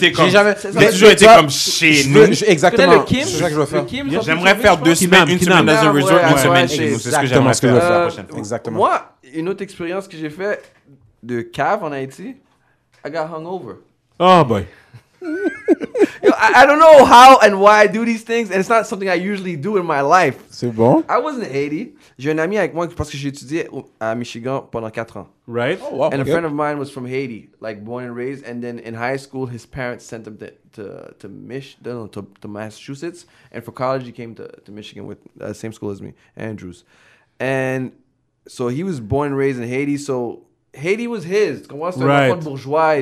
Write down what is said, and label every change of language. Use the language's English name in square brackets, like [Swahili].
[French] J'ai toujours été comme chez nous. Exactement. J'aimerais faire 2 semaines, une semaine dans un resort, une semaine chez nous. C'est exactement ce que je veux faire la prochaine fois. Exactement. Moi, une autre expérience que j'ai fait de cave en Haïti, [English] I got hungover. Oh boy. I don't know how and why I do these things, and it's not something I usually do in my life. [French] C'est bon. [English] I was in Haiti. [French] J'ai un ami avec moi parce que j'ai étudié à Michigan pendant 4 ans. [English] Right. Oh, wow. And a friend of mine was from Haiti, like born and raised. And then in high school, his parents sent him to Massachusetts. And for college, he came to Michigan with the same school as me, Andrews. And so he was born and raised in Haiti. So Haiti was his. [French] Tu comprends? C'est un enfant bourgeois.